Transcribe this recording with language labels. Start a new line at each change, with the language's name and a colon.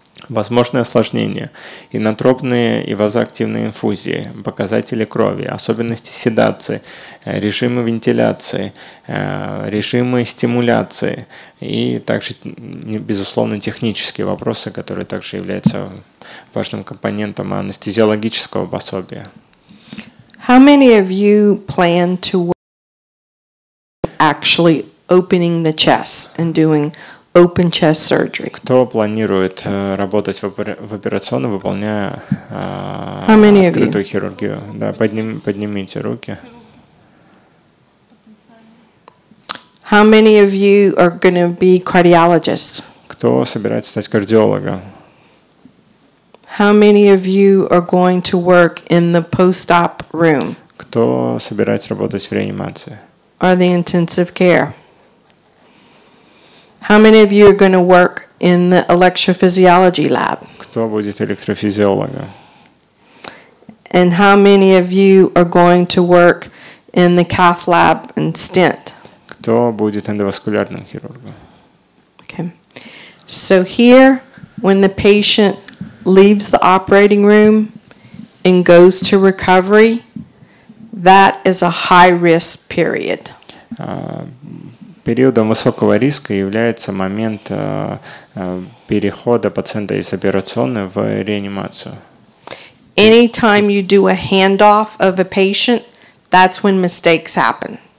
Russian: Возможные осложнения, инотропные и вазоактивные инфузии, показатели крови, особенности седации, режимы вентиляции, режимы стимуляции и также, безусловно, технические вопросы, которые также являются важным компонентом анестезиологического пособия.
English: How many of you plan to work actually opening the chest and doing open chest surgery?
Russian: Кто планирует работать в операционном, выполняя открытую хирургию? Да, поднимите руки.
English: How many of you are going to be cardiologists?
Russian: Кто собирается стать кардиологом?
English: How many of you are going to work in the post-op room?
Russian: Кто собирается работать в реанимации?
English: Or the intensive care? How many of you are going to work in the electrophysiology lab?
Russian: Кто будет электрофизиологом?
English: And how many of you are going to work in the cath lab and stent?
Russian: Кто будет эндоваскулярным хирургом?
English: Okay. So here, when the patient leaves the operating room and goes to recovery, that is a high-risk period.
Russian: Периодом высокого риска является момент перехода пациента из операционной в реанимацию.
English: Anytime you do a handoff of a patient, that's when mistakes happen.